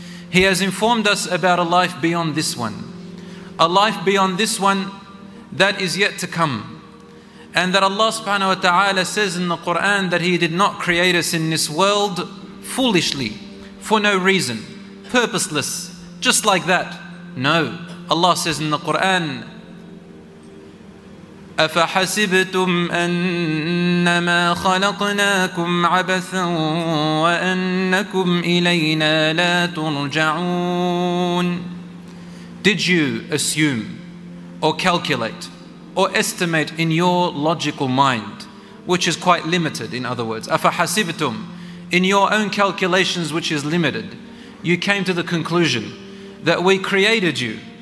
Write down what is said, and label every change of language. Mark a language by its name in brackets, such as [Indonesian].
[English] He has informed us about a life beyond this one. A life beyond this one that is yet to come. And that Allah subhanahu wa ta'ala says in the Qur'an that he did not create us in this world foolishly, for no reason, purposeless, just like that. No, Allah says in the Qur'an, [Arabic] أَفَحَسِبْتُمْ أَنَّمَا خَلَقْنَاكُمْ عَبَثًا وَأَنَّكُمْ إِلَيْنَا لَا تُرْجَعُونَ. [English] Did you assume or calculate or estimate in your logical mind, which is quite limited, in other words, [Arabic] أَفَحَسِبْتُمْ, [English] in your own calculations, which is limited, you came to the conclusion that we created you.